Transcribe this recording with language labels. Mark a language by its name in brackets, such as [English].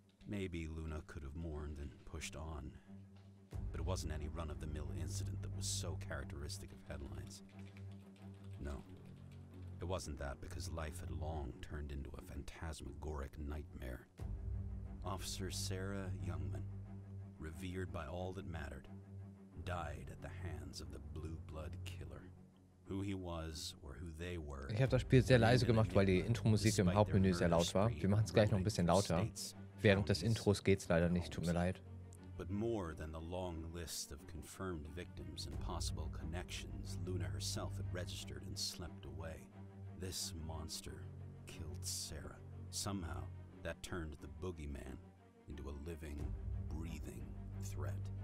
[English] Maybe Luna could have mourned and pushed on, but it wasn't any run-of-the-mill incident that was so characteristic of headlines. No. It wasn't that, because life had long turned into a phantasmagoric nightmare. Officer Sarah Youngman, revered by all that mattered, died at the hands of the Blue Blood Killer. Who he was or who they were. [German] Ich habe das Spiel sehr leise gemacht, weil die Intro-Musik im Hauptmenü sehr laut war. Wir machen es gleich noch ein bisschen lauter. Während des Intros geht's leider nicht, tut mir leid. [English] But more than the long list of confirmed victims and possible connections Luna herself had registered and slept away, this monster killed Sarah. Somehow, that turned the boogeyman into a living, breathing threat.